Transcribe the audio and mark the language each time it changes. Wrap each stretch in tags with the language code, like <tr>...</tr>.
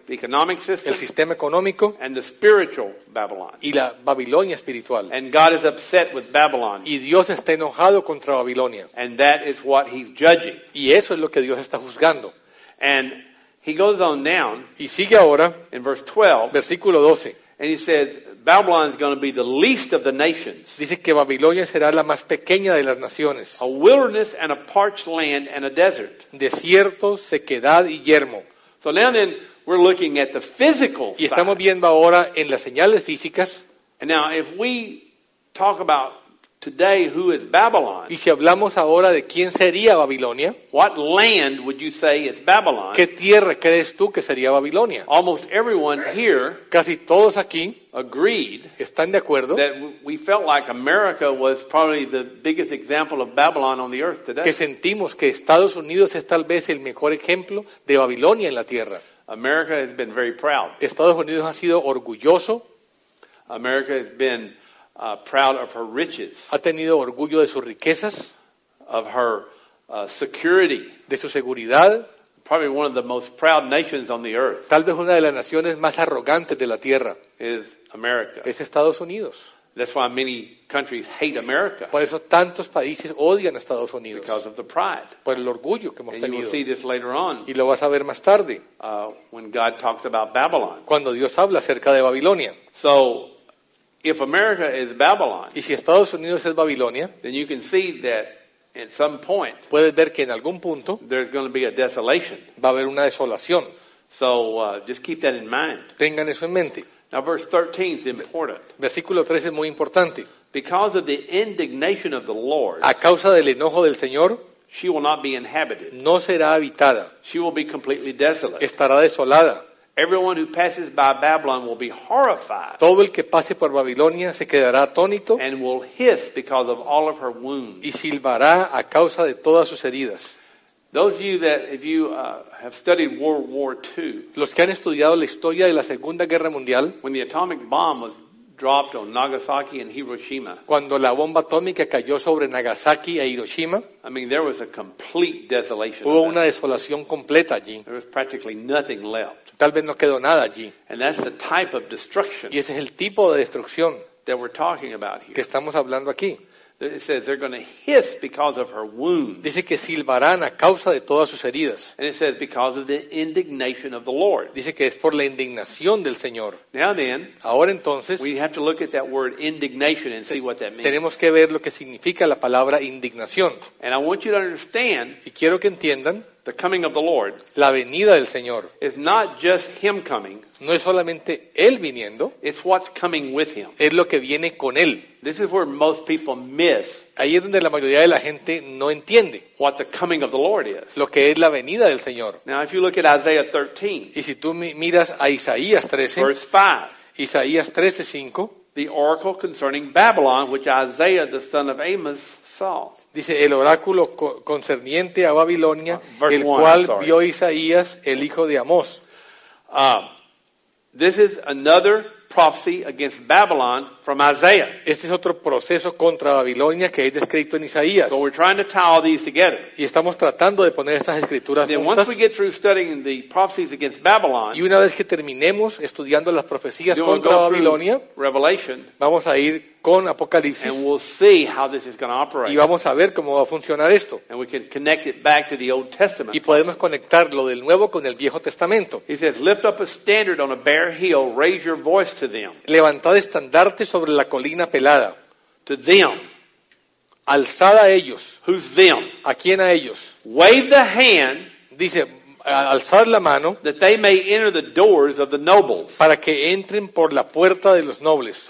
<en>The economic system.</en> <es>El sistema económico.</es> <en>And the spiritual Babylon.</en> <es>Y la Babilonia espiritual.</es> <en>And God is upset with Babylon.</en> <es>Y Dios está enojado contra Babilonia.</es> <en>And that is what he's judging.</en> <es>Y eso es lo que Dios está juzgando.</es> <en>And he goes on down.</en> <es>Y sigue ahora.</es> <en>In verse 12.</en> <es>Versículo 12.</es> <en>And he says, Babylon is going to be the least of the nations.</en> <es>Dice que Babilonia será la más pequeña de las naciones.</es> <en>A wilderness and a parched land and a desert.</en> <es>Desierto, sequedad y yermo.</es> <en>So now then, we're looking at the physical</en> <es>side. Y estamos viendo ahora en las señales físicas.</es> <en>And now, if we talk about today who is Babylon?</en> <es>Y si hablamos ahora de quién sería Babilonia?</es> <en>What land would you say is Babylon?</en> <es>¿Qué tierra crees tú que sería Babilonia?</es> <en>Almost everyone here,</en> <es>casi todos aquí,</es> <en>agreed.</en> <es>Están de acuerdo.</es> <en>That we felt like America was probably the biggest example of Babylon on the earth today.</en> <es>Que sentimos que Estados Unidos es tal vez el mejor ejemplo de Babilonia en la tierra.</es> <en>America has been very proud.</en> <es>Estados Unidos ha sido orgulloso.</es> <en>America has been proud of her riches.</en> <es>Ha tenido orgullo de sus riquezas.</es> <en>Of her security.</en> <es>De su seguridad.</es> <en>Probably one of the most proud nations on the earth.</en> <es>Tal vez una de las naciones más arrogantes de la tierra.</es> <en>Is America.</en> <es>Es Estados Unidos.</es> <en>That's why many countries hate America.</en> <es>Por eso tantos países odian a Estados Unidos.</es> <en>Because of the pride.</en> <es>Por el orgullo que hemos</es> <en>and</en> <es>tenido.</es> <en>And you'll see this later on.</en> <es>Y lo vas a ver más tarde.</es> <en>When God talks about Babylon.</en> <es>Cuando Dios habla acerca de Babilonia.</es> <en>So, if America is Babylon,</en> <es>y si Estados Unidos es Babilonia,</es> <en>then you can see that at some point,</en> <es>puedes ver que en algún punto,</es> <en>there's going to be a desolation.</en> <es>Va a haber una desolación.</es> <en>So just keep that in mind.</en> <es>Tengan eso en mente.</es> <en>Now verse 13 is important.</en> <es>Versículo 13 es muy importante.</es> <en>Because of the indignation of the Lord,</en> <es>a causa del enojo del Señor,</es> <en>she will not be inhabited.</en> <es>No será habitada.</es> <en>She will be completely desolate.</en> <es>Estará desolada.</es> <en>Everyone who passes by Babylon will be horrified.</en> <es>Todo el que pase por Babilonia se quedará atónito.</es> <en>And will hiss because of all of her wounds.</en> <es>Y silbará a causa de todas sus heridas.</es> <en>Those of you that if you have studied World War II.</en> <es>Los que han estudiado la historia de la Segunda Guerra Mundial.</es> <en>When the atomic bomb was dropped on Nagasaki and Hiroshima.</en> <es>Cuando la bomba atómica cayó sobre Nagasaki e Hiroshima.</es> <en>I mean, there was a complete desolation.</en> <es>Hubo una desolación completa allí.</es> <en>There was practically nothing left.</en> <es>Tal vez no quedó nada allí.</es> <en>And that's the type of destruction.</en> <es>Y ese es el tipo de destrucción</es> <en>that we're talking about here.</en> <es>Que estamos hablando aquí.</es> <en>It says they're going to hiss because of her wounds.</en> <es>Dice que silbarán a causa de todas sus heridas.</es> <en>And it says because of the indignation of the Lord.</en> <es>Dice que es por la indignación del Señor.</es> <en>Now then,</en> <es>ahora entonces,</es> <en>we have to look at that word indignation and see what that means.</en> <es>Tenemos que ver lo que significa la palabra indignación.</es> <en>And I want you to understand.</en> <es>Y quiero que entiendan.</es> <en>The coming of the Lord.</en> <es>La venida del Señor.</es> <en>Is not just him coming.</en> <es>No es solamente él viniendo.</es> <en>It's what's coming with him.</en> <es>Es lo que viene con él.</es> <en>This is where most people miss.</en> <es>Ahí es donde la mayoría de la gente no entiende.</es> <en>What the coming of the Lord is.</en> <es>Lo que es la venida del Señor.</es> <en>Now if you look at Isaiah 13.</en> <es>Y si tú miras a Isaías 13.</es> <en>Verse 5.</en> <es>Isaías 13, 5.</es> <en>The oracle concerning Babylon, which Isaiah the son of Amos saw.</en> <es>Dice el oráculo concerniente a Babilonia, el cual vio Isaías, el hijo de Amós.</es> <en>This is another prophecy against Babylon from Isaiah.</en> <es>Este es otro proceso contra Babilonia que es descrito en Isaías.</es> <en>So we're trying to tie all these together.</en> <es>Y estamos tratando de poner estas escrituras</es> <en>then</en> <es>juntas.</es> <en>Once we get through studying the prophecies against Babylon,</en> <es>y una vez que terminemos estudiando las profecías contra Babilonia,</es> <en>Revelation,</en> <es>vamos a ir con Apocalipsis.</es> <en>And we'll see how this is going to operate.</en> <es>Y vamos a ver cómo va a funcionar esto.</es> <en>And we can connect it back to the Old Testament.</en> <es>Y podemos conectar lo del Nuevo con el Viejo Testamento.</es> <en>He says, lift up a standard on a bare hill, raise your voice to them.</en> <es>Levantad estandarte sobre la colina pelada.</es> <en>To them.</en> <es>Alzad a ellos.</es> <en>Who's them?</en> <es>¿A quién a ellos?</es> <en>Wave the hand.</en> <es>Dice, alzad la mano.</es> <en>That they may enter the doors of the nobles.</en> <es>Para que entren por la puerta de los nobles.</es>